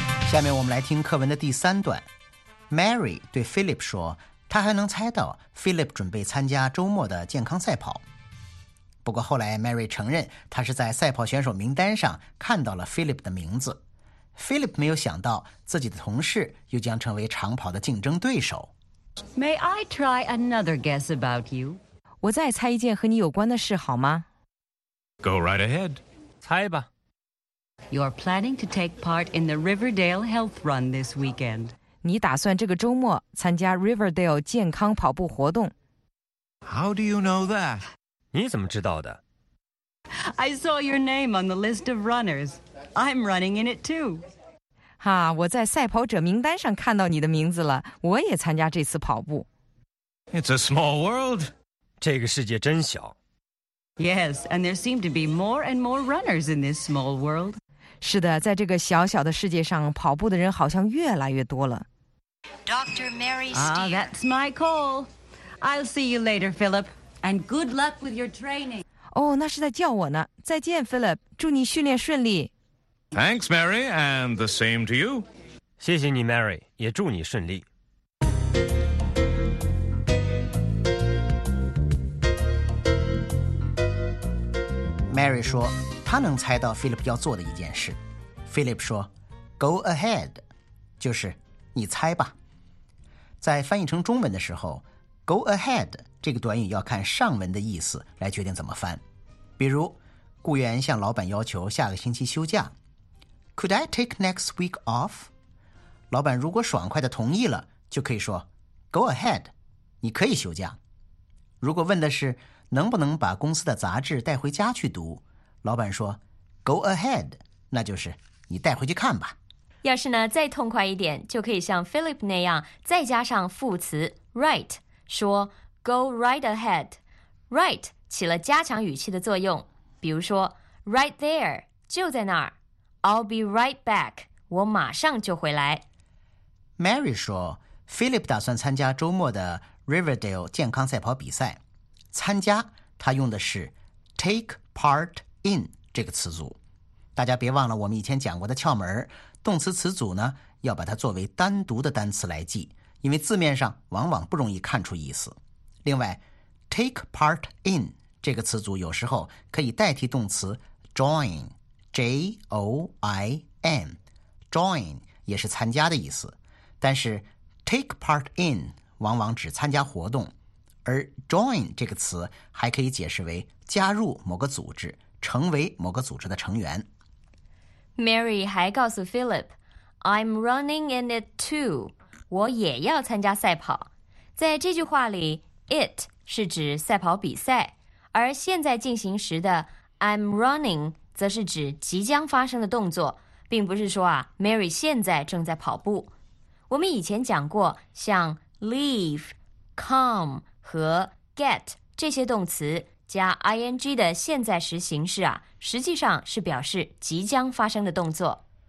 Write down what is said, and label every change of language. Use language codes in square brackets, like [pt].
[zh] 下面我们来听课文的第三段。Mary 对 Philip 说，他还能猜到 Philip 准备参加周末的健康赛跑。不过后来 Mary 承认，他是在赛跑选手名单上看到了 Philip 的名字。 Philip 没有想到自己的同事又将成为长跑的竞争对手。 [en] May I try another guess about you? [zh] 我再猜一件和你有关的事好吗？ [en] Go right ahead. [zh] 猜吧。 [en] You're planning to take part in the Riverdale Health Run this weekend. [zh] 你打算这个周末参加 Riverdale 健康跑步活动。 [en] How do you know that? [zh] 你怎么知道的？ [en] I saw your name on the list of runners. I'm running in it too. [zh] 哈，我在赛跑者名单上看到你的名字了，我也参加这次跑步。 [en] It's a small world. [zh] 这个世界真小。 [en] Yes, and there seem to be more and more runners in this small world. [zh] 是的，在这个小小的世界上，跑步的人好像越来越多了。 [en] Dr. Mary Steer. Ah, that's my call. I'll see you later, Philip, and good luck with your training. [zh] 那是在叫我呢。再见 ，Philip， 祝你训练顺利。 [en] Thanks, Mary, and the same to you. [zh] 谢谢你 ，Mary， 也祝你顺利。 Mary 说他能猜到 Philip 要做的一件事。Philip 说 Go ahead， 就是你猜吧。在翻译成中文的时候， Go ahead 这个短语要看上文的意思来决定怎么翻。比如雇员向老板要求下个星期休假， [en] Could I take next week off？ [zh] 老板如果爽快地同意了，就可以说 Go ahead， 你可以休假。如果问的是能不能把公司的杂志带回家去读，老板说 Go ahead， 那就是你带回去看吧。要是呢再痛快一点，就可以像 Philip 那样再加上副词 right， 说 go right ahead。 right 起了加强语气的作用，比如说 right there， 就在那儿。 [en] I'll be right back， [zh] 我马上就回来。 Mary 说 Philip 打算参加周末的 Riverdale 健康赛跑比赛，参加他用的是 take part in 这个词组。大家别忘了我们以前讲过的窍门，动词词组呢要把它作为单独的单词来记，因为字面上往往不容易看出意思。另外 take part in 这个词组有时候可以代替动词 join， J-O-I-N， join 也是参加的意思，但是 take part in 往往只参加活动，而 join 这个词还可以解释为加入某个组织，成为某个组织的成员。 Mary 还告诉 Philip， [en] I'm running in it too， [zh] 我也要参加赛跑。在这句话里， it 是指赛跑比赛，而现在进行时的 I'm running 则是指即将发生的动作，并不是说啊 Mary 现在正在跑步。我们以前讲过像 leave、 come 和 get 这些动词加 ing 的现在时形式啊，实际上是表示即将发生的动作。